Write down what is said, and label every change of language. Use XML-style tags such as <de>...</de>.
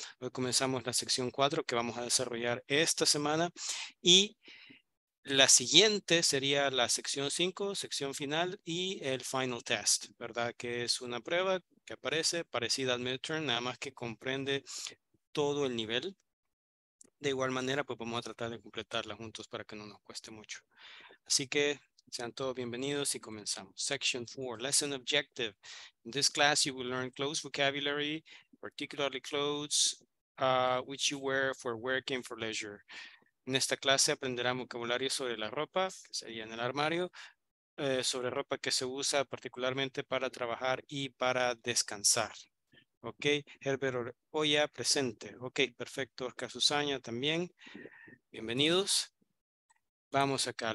<es>Hoy comenzamos la sección 4 que vamos a desarrollar esta semana, y la siguiente sería la sección 5, sección final y el final test, ¿verdad? Que es una prueba que aparece parecida al midterm, nada más que comprende todo el nivel. De igual manera, pues vamos a tratar de completarla juntos para que no nos cueste mucho. Así que sean todos bienvenidos y comenzamos.</es> <en>Section 4, lesson objective. In this class, you will learn clothes vocabulary, particularly clothes which you wear for work and for leisure.</en> <es>En esta clase aprenderán vocabulario sobre la ropa, que sería en el armario, sobre ropa que se usa particularmente para trabajar y para descansar. Ok, Herbert Oya presente. Ok, perfecto. Oscar Susana también. Bienvenidos. Vamos acá.</es>